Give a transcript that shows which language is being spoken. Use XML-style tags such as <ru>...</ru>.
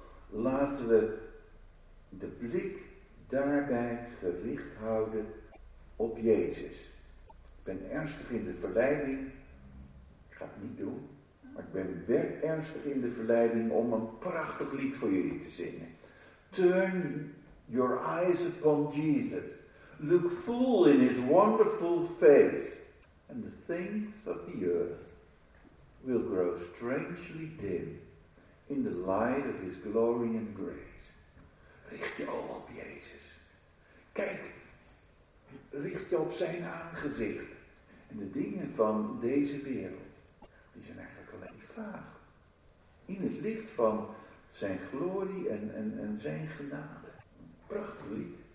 <nl>Laten we de blik daarbij gericht houden op Jezus. Ik ben ernstig in de verleiding, ik ga het niet doen, maar ik ben werkelijk ernstig in de verleiding om een prachtig lied voor jullie te zingen.</nl> <en>Turn your eyes upon Jesus. Look full in his wonderful face, and the things of the earth will grow strangely dim in the light of his glory and grace.</en> <nl>Richt je oog op Jezus. Kijk, richt je op zijn aangezicht. En de dingen van deze wereld, die zijn eigenlijk alleen vaag. In het licht van zijn glorie en zijn genade. Prachtig lied.</nl>